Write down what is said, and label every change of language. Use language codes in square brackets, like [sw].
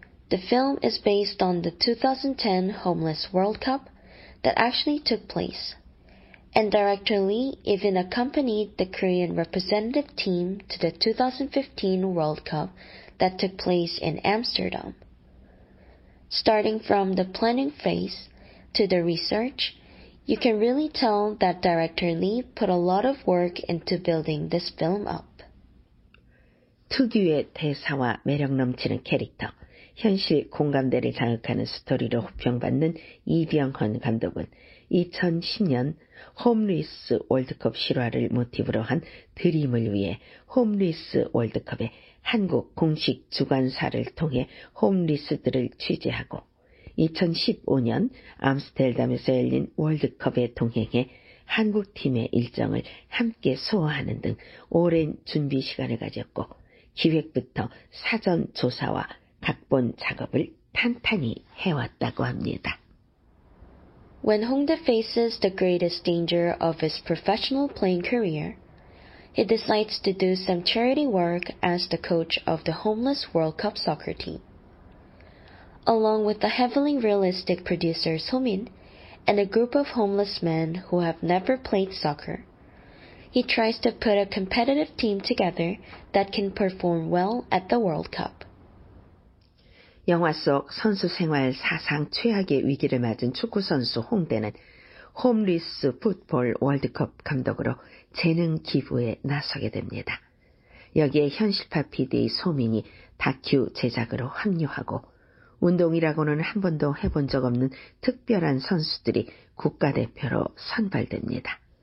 [en] The film is based on the 2010 Homeless World Cup that actually took place, and director Lee even accompanied the Korean representative team to the 2015 World Cup that took place in Amsterdam. Starting from the planning phase to the research, you can really tell that director Lee put a lot of work into building this film up. [ko] 특유의 대사와 매력 넘치는 캐릭터, 현실 공감대를 자극하는 스토리로 호평받는 이병헌 감독은 2010년 홈리스 월드컵 실화를 모티브로 한 드림을 위해 홈리스 월드컵의 한국 공식 주관사를 통해 홈리스들을 취재하고 2015년 암스테르담에서 열린 월드컵에 동행해 한국팀의 일정을 함께 소화하는 등 오랜 준비 시간을 가졌고 기획부터 사전 조사와 각본 작업을 탄탄히 해왔다고 합니다. [en] When Hongdae faces the greatest danger of his professional playing career, he decides to do some charity work as the coach of the homeless World Cup soccer team. Along with the heavily realistic producer So-min and a group of homeless men who have never played soccer, he tries to put a competitive team together that can perform well at the World Cup. [ko] 영화 속 선수 생활 사상 최악의 위기를 맞은 축구 선수 홍대는 홈리스 풋볼 월드컵 감독으로 재능 기부에 나서게 됩니다. 여기에 현실파 PD의 소민이 다큐 제작으로 합류하고 운동이라고는 한 번도 해본 적 없는 특별한 선수들이 국가대표로 선발됩니다.